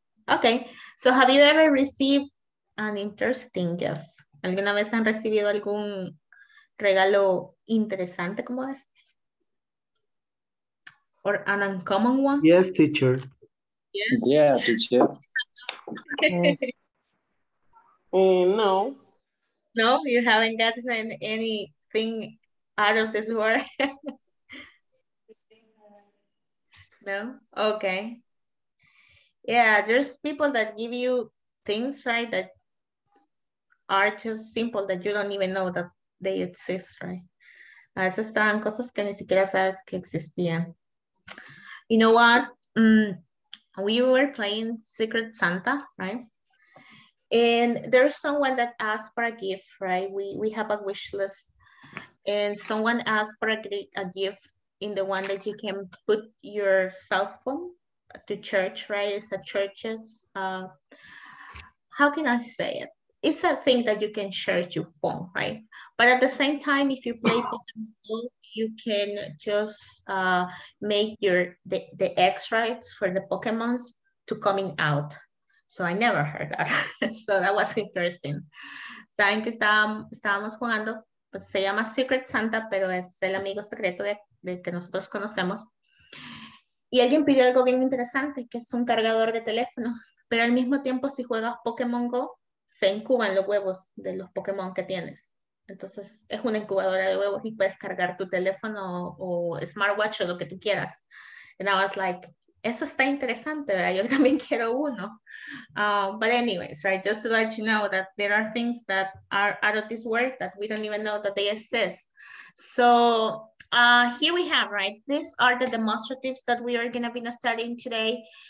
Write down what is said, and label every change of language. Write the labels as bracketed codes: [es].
[en] Okay, so have you ever received an interesting gift? [es] ¿Alguna vez han recibido algún regalo interesante como este? [en] ¿Or an uncommon one? Yes, teacher. Yes. Yeah, teacher. No. No, you haven't gotten anything out of this world? No? Okay. Yeah, there's people that give you things, right, that are just simple that you don't even know that they exist, right? [es] A veces están cosas que ni siquiera sabes que existían. [en] You know what? We were playing Secret Santa, right? And there's someone that asked for a gift, right? We have a wish list. And someone asked for a gift in the one that you can put your cell phone to church, right? It's a church's, how can I say it? It's a thing that you can charge your phone, right? But at the same time, if you play Pokemon Go, you can just make the X-rays for the Pokemons to coming out. So I never heard that. So that was interesting. [es] Saben que estábamos jugando, pues se llama Secret Santa, pero es el amigo secreto de que nosotros conocemos. Y alguien pidió algo bien interesante, que es un cargador de teléfono. Pero al mismo tiempo, si juegas Pokémon Go, se incuban los huevos de los Pokémon que tienes. Entonces, es una incubadora de huevos y puedes cargar tu teléfono o smartwatch o lo que tú quieras. [en] And I was like, [es] eso está interesante, ¿verdad? Yo también quiero uno. [en] But anyways, right, just to let you know that there are things that are out of this world that we don't even know that they exist. So here we have, right, these are the demonstratives that we are going to be studying today.